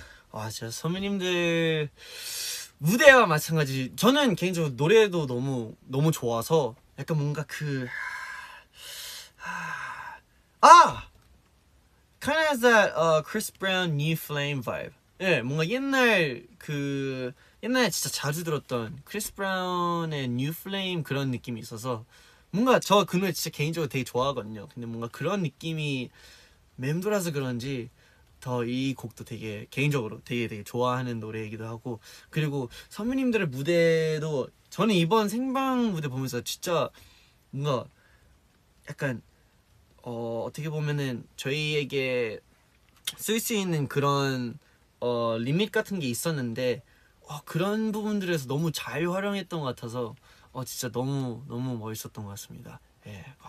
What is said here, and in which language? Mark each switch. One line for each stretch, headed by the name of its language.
Korean: 와, 진짜 선배님들 무대와 마찬가지. 저는 개인적으로 노래도 너무, 너무 좋아서 약간 뭔가 그. 아!
English: Kind of has that Chris Brown New Flame vibe.
Korean: 예, 네, 뭔가 옛날 그 옛날에 진짜 자주 들었던 크리스 브라운의 New Flame 그런 느낌이 있어서 뭔가 저 그 노래 진짜 개인적으로 되게 좋아하거든요. 근데 뭔가 그런 느낌이 맴돌아서 그런지 더 이 곡도 되게 개인적으로 되게 좋아하는 노래이기도 하고, 그리고 선배님들의 무대도 저는 이번 생방 무대 보면서 진짜 뭔가 약간 어떻게 보면은 저희에게 쓸 수 있는 그런 리밋 같은 게 있었는데 그런 부분들에서 너무 잘 활용했던 것 같아서 진짜 너무 너무 멋있었던 것 같습니다. 예.